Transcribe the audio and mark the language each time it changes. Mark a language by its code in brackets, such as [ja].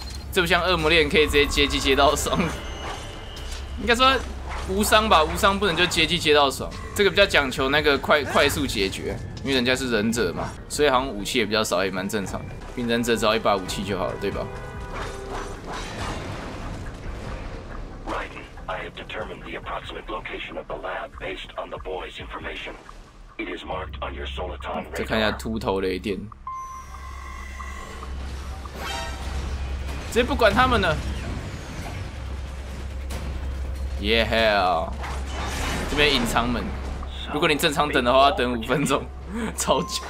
[zh] 这不像恶魔链可以直接接机接到爽，应该说无伤吧，无伤不能就接机接到爽，这个比较讲求那个快速解决，因为人家是忍者嘛，所以好像武器也比较少，也蛮正常的。并忍者只要一把武器就好了，对吧 [en] ？Riden, I have determined the approximate location of the lab based on the boy's information. It is marked on your soliton radar. [zh] 再看一下秃头雷电，直接不管他们了。 Yeah, 这边隐藏门，如果你正常等的话，要等五分钟，超久。